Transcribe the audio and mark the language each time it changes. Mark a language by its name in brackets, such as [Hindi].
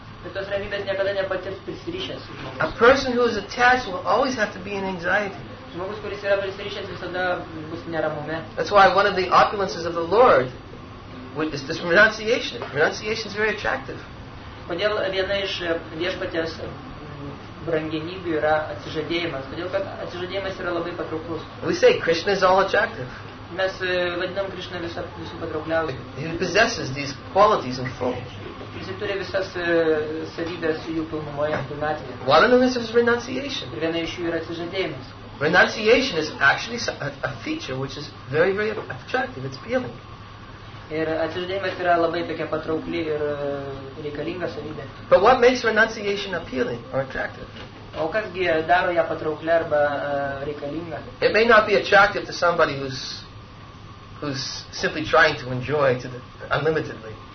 [Lithuanian] Bet tos ramybės niekada nepatirs prisirišęs. [English] A person who is attached will always have to be in anxiety. [Lithuanian] Žmogus, kuris yra prisirišęs, visada bus neramume. [English] That's why one of the opulences of the Lord is this renunciation. Renunciation is very attractive. [Lithuanian] Kodėl viena iš viešpatės branginybių yra atsižadėjimas? Todėl, kad atsižadėjimas yra labai patrauklus. [English] We say Krishna is all attractive. [Lithuanian] Mes vadinam Krishna visų patraukliausių. [English] He possesses these qualities in full. [Lithuanian] Jis turi visas savybės jų pilnumoje, pilnatvėje. [English] One of them is renunciation. [Lithuanian] Ir viena iš jų yra atsižadėjimas. [English] Renunciation is actually a feature which is very, very attractive. It's appealing. [Lithuanian] Ir atsižadėjimas yra labai tokia patraukli ir reikalinga savybė. [English] But what makes renunciation appealing or attractive? [Lithuanian] O kasgi daro ją patrauklią arba reikalingą? [English] It may not be attractive to somebody who's who's simply trying to enjoy to the unlimitedly.